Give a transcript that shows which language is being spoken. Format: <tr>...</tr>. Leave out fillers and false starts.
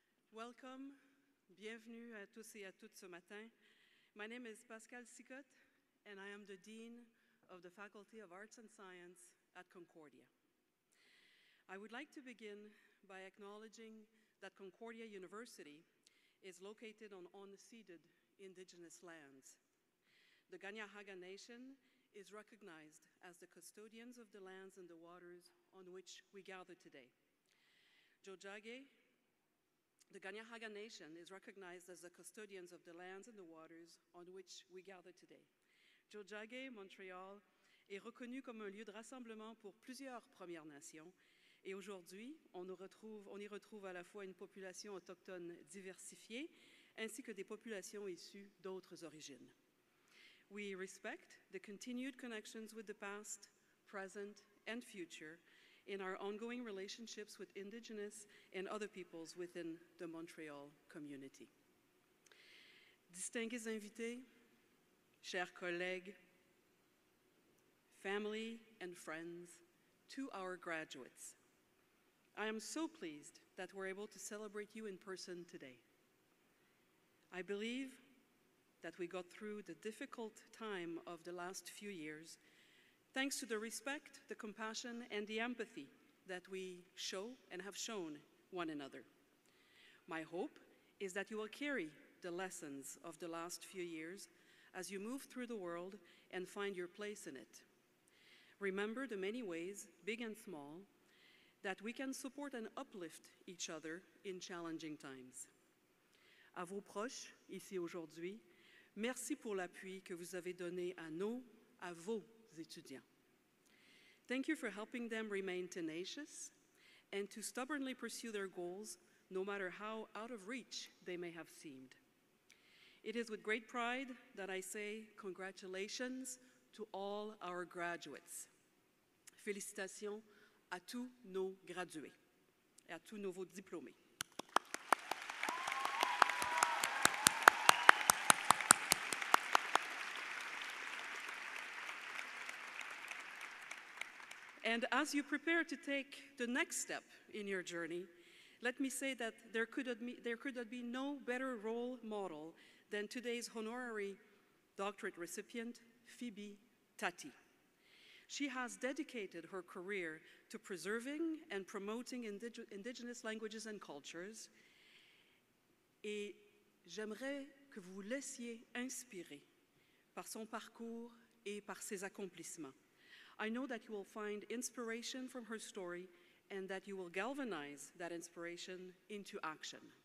<en>Welcome,</en> <fr>bienvenue à tous et à toutes ce matin.</fr> <en>My name is Pascal Sicotte, and I am the Dean of the Faculty of Arts and Science at Concordia. I would like to begin by acknowledging that Concordia University is located on unceded Indigenous lands. The Ganyahaga Nation is recognized as the custodians of the lands and the waters on which we gather today. Jojage, the Ganyahaga Nation is recognized as the custodians of the lands and the waters on which we gather today.</en> <fr>Jojage, Montreal, est reconnu comme un lieu de rassemblement pour plusieurs Premières Nations, et aujourd'hui, on y retrouve à la fois une population autochtone diversifiée, ainsi que des populations issues d'autres origines.</fr> <en>We respect the continued connections with the past, present, and future in our ongoing relationships with Indigenous and other peoples within the Montreal community.</en> <fr>Distingués invités, chers collègues,</fr> <en>family and friends, to our graduates, I am so pleased that we're able to celebrate you in person today. I believe that we got through the difficult time of the last few years, thanks to the respect, the compassion, and the empathy that we show and have shown one another. My hope is that you will carry the lessons of the last few years as you move through the world and find your place in it. Remember the many ways, big and small, that we can support and uplift each other in challenging times.</en> <fr>À vos proches, ici aujourd'hui, merci pour l'appui que vous avez donné à vos étudiants.</fr> <en>Thank you for helping them remain tenacious and to stubbornly pursue their goals, no matter how out of reach they may have seemed. It is with great pride that I say congratulations to all our graduates.</en> <fr>Félicitations à tous nos gradués et à tous nos diplômés.</fr> <en>And as you prepare to take the next step in your journey, let me say that there could be no better role model than today's honorary doctorate recipient, Phoebe Tati. She has dedicated her career to preserving and promoting indigenous languages and cultures.</en> <fr>Et j'aimerais que vous laissiez inspirer par son parcours et par ses accomplissements.</fr> <en>I know that you will find inspiration from her story and that you will galvanize that inspiration into action.</en>